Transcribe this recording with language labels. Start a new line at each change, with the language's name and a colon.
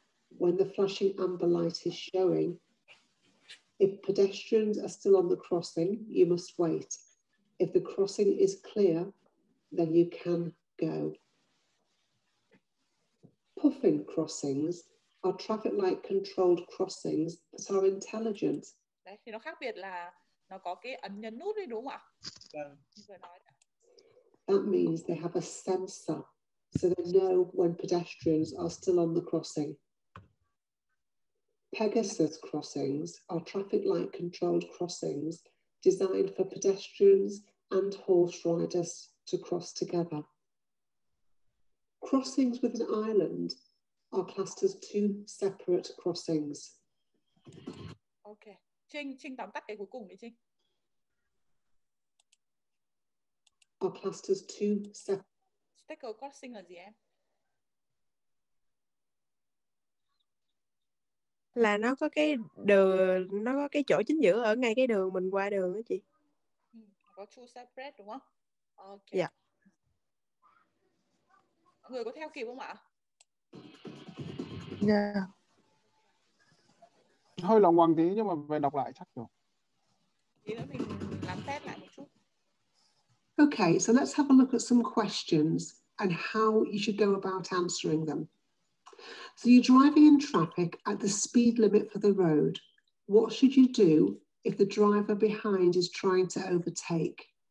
English: When the flashing amber light is showing, if pedestrians are still on the crossing, you must wait. If the crossing is clear, then you can go. Puffin crossings are traffic light controlled crossings that are intelligent.
Vietnamese: Đấy, thì nó khác biệt là nó có cái ấn nhấn nút đấy đúng không ạ? Vâng.
English: That means they have a sensor so they know when pedestrians are still on the crossing. Pegasus crossings are traffic light controlled crossings designed for pedestrians and horse riders to cross together. Crossings with an island are classed as two separate crossings. Okay.
Vietnamese: Trinh tóm tắt cái cuối cùng đi Trinh.
English: Are classed as two separate.
Vietnamese: Stickle crossing là gì em? Là nó có cái đường, nó có cái chỗ chính giữa ở ngay cái đường mình qua đường đó chị. Có
English: two separate
Vietnamese: đúng không?
English: Ok.
Vietnamese: Dạ. Yeah. Mọi người có theo kịp không ạ? Dạ.
English: Yeah.
Vietnamese: Hơi lòng hoàng tí nhưng mà về đọc lại chắc rồi. Tí nữa mình làm test lại một chút.
English: Okay, so let's have a look at some questions and how you should go about answering them. So you're driving in traffic at the speed limit for the road. What should you do if the driver behind is trying to overtake?